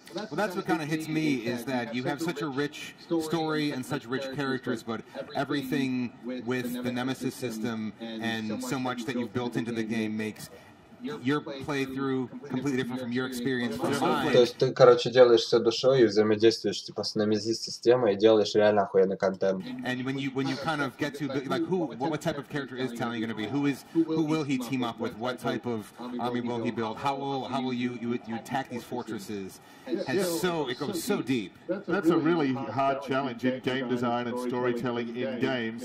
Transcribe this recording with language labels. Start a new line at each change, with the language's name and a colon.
English: Well, that's what kind of hits me, is that you have such a rich story and such rich characters, but everything with the Nemesis system and so much that you've built into the game makes your playthrough completely different from your experience from mine.
Russian: То есть ты, короче, делаешь все душой и взаимодействуешь типа с Nemesis системой и делаешь реально охуенный контент.
English: And when you kind of get to like what type of character is Talion going to be? Who will he team up with? What type of army will he build? How will you attack these fortresses? And so it goes so deep. That's a really hard challenge in game design and storytelling in games.